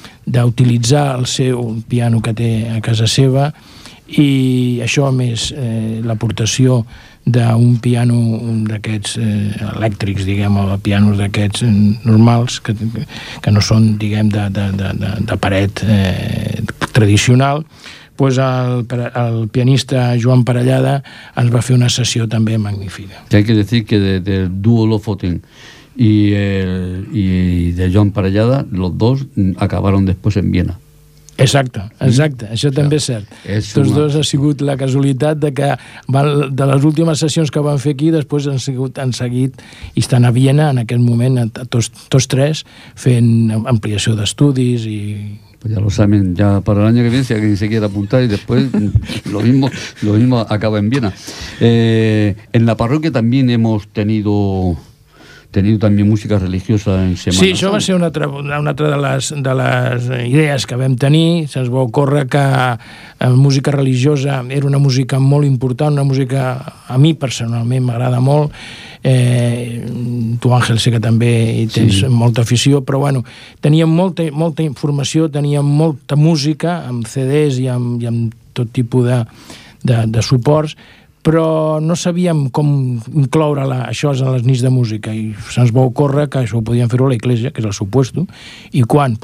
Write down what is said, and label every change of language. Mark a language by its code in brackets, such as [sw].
[ca] d'utilitzar el seu piano que té a casa seva, i això més l'aportació d'un piano d'aquests elèctrics, diguem, o pianos d'aquests normals, que no són, diguem, de paret tradicional, pues el pianista Joan Parellada ens va fer una sessió també magnífica. [es] Hay que decir que del duo Lofoten y de Joan Parellada, los dos acabaron después en Viena. [ca] Exacte, exacte, això sí, també és cert. Tots dos ha sigut la casualitat de que de les últimes sessions que van fer aquí, després han seguit i estan a Viena en aquest moment tots tres fent ampliació d'estudis i... [es] Pues ya lo saben, ya para el año que viene, si alguien se quiere apuntar, y después lo mismo acaba en Viena. En la parroquia también hemos tenido también música religiosa en Semana Santa. [ca] Sí, això va ser una altra de les idees que vam tenir. Se'ns va ocórrer que la música religiosa era una música molt important, una música a mi personalment m'agrada molt. Tu, Àngel, sé que també hi tens molta afició, però bueno, teníem molta, molta informació, teníem molta música amb CDs i amb tot tipus de suports, però no sabíem com incloure això en les nits de música, i se'ns va ocórrer que això ho podíem fer a l'Eglésia, que és el seu puesto, i quan?